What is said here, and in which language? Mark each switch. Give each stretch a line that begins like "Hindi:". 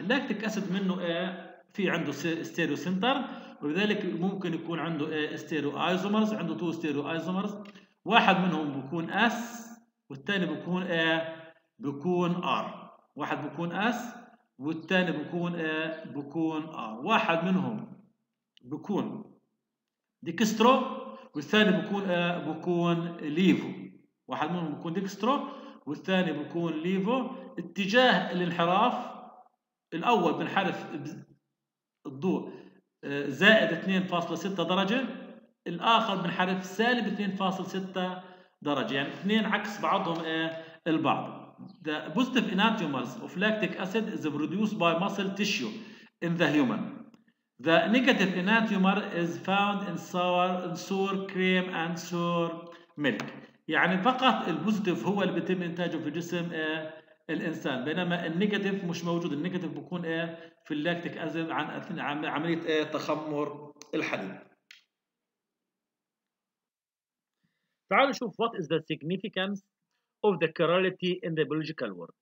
Arabic: اللاكتيك أسيد منه في عنده ستيريو سنتر، وبذلك ممكن يكون عنده ستيريو ايزومرز، عنده تو ستيريو ايزومرز، واحد منهم بيكون اس والثاني بيكون بيكون ار، واحد بيكون اس والثاني بيكون بيكون ار، واحد منهم بيكون ديكسترو والثاني بيكون بيكون ليفو، واحد منهم بيكون ديكسترو والثاني بيكون ليفو. اتجاه الانحراف الاول بنحرف الضوء زائد 2.6 درجة، الآخر بنحرف سالب 2.6 درجة، يعني اثنين عكس بعضهم البعض.
English: The positive enantiomers of lactic acid is produced by muscle tissue in the human. The negative enantiomer is found in sour, in sour cream and sour milk.
Arabic: يعني فقط البوزيتيف هو اللي بيتم إنتاجه في جسم الإنسان، بينما النيجاتيف مش موجود، النيجاتيف بيكون في اللاكتيك أسيد عن عملية تخمر الحليب. تعالوا نشوف
English: what is the significance of the chirality in the biological world.